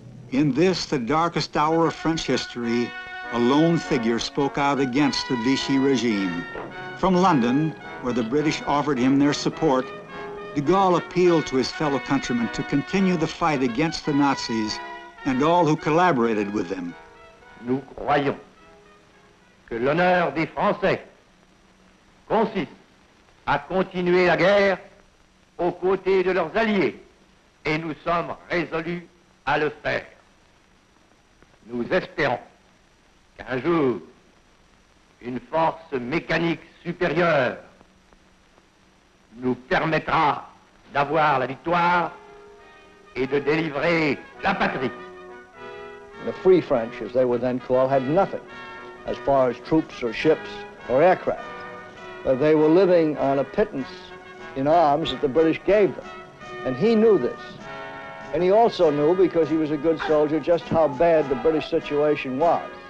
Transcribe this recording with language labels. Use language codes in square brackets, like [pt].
[en] In this, the darkest hour of French history, a lone figure spoke out against the Vichy regime. From London, where the British offered him their support, de Gaulle appealed to his fellow countrymen to continue the fight against the Nazis and all who collaborated with them. [fr] Nous croyons que l'honneur des Français consiste à continuer la guerre aux côtés de leurs alliés, et nous sommes résolus à le faire. Nous espérons qu'un jour, une force mécanique supérieure nous permettra d'avoir la victoire et de délivrer la patrie. [en] The Free French, as they were then called, had nothing as far as troops or ships or aircraft. But they were living on a pittance in arms that the British gave them. And he knew this. And he also knew, because he was a good soldier, just how bad the British situation was.